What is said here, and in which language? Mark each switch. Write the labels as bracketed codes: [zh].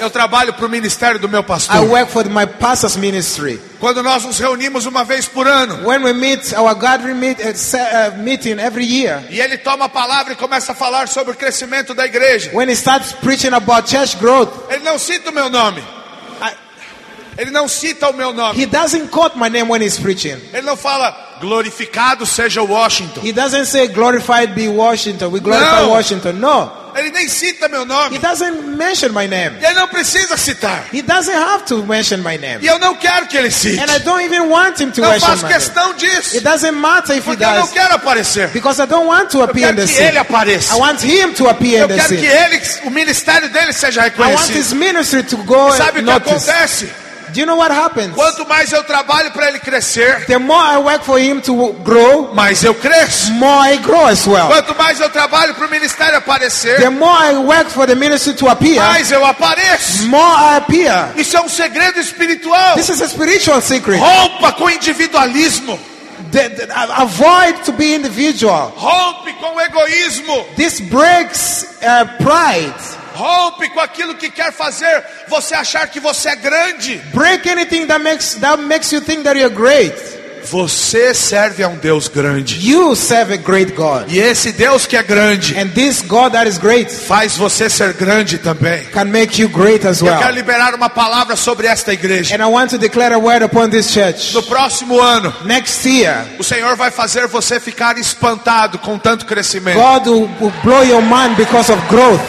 [pt] Eu trabalho para o ministério do meu pastor. [en] I work for my pastor's ministry. [pt] Quando nós nos reunimos uma vez por ano. [en] When we meet our gathering meeting every year. [pt] E ele toma a palavra e começa a falar sobre o crescimento da igreja. [en] When he starts preaching about church growth. [pt] Ele não cita o meu nome. Ele não cita o meu nome. [en] He doesn't quote my name when he's preaching. [pt] Ele não fala glorificado seja Washington. [en] He doesn't say glorified be Washington. We glorify [pt] não. [en] Washington. No. [pt] Ele nem cita meu nome. [en] He doesn't mention my name. [pt] E ele não precisa citar. [en] He doesn't have to mention my name. [pt] E eu não quero que ele cite. [en] And I don't even want him to [pt] não [en] mention my name. [pt] Não faz questão disso. [en] It doesn't matter if [pt] porque [en] he does. [pt] Eu não quero aparecer. [en] Because I don't want to appear in the scene. [pt] Eu quero que ele apareça. [en] I want him to appear in the scene. [pt] Eu quero que ele, o ministério dele seja reconhecido. [en] I want his ministry to go [pt] e sabe [en] noticed. [pt] Sabe o que acontece? [en] Do you know what happens? [pt] Quanto mais eu trabalho para ele crescer, [en] the more I work for him to grow, [pt] mais eu cresço. [en] More I grow as well. [pt] Quanto mais eu trabalho para o ministério aparecer, [en] the more I work for the ministry to appear, [pt] mais eu apareço. [en] More I appear. [pt] Isso é um segredo espiritual. [en] This is a spiritual secret. [pt] Rompa com o individualismo. [en] Avoid to be individual. [pt] Rompe com o egoísmo. [en] This breaks pride. [pt] Rompe com aquilo que quer fazer você achar que você é grande. [en] Break anything that makes you think that you're great. [pt] Você serve a um Deus grande. [en] You serve a great God. [pt] E esse Deus que é grande. [en] And this God that is great. [pt] Faz você ser grande também. [en] Can make you great as well. [pt] Eu quero liberar uma palavra sobre esta igreja. [en] And I want to declare a word upon this church. [pt] No próximo ano. [en] Next year. [pt] O Senhor vai fazer você ficar espantado com tanto crescimento. [en] God will blow your mind because of growth.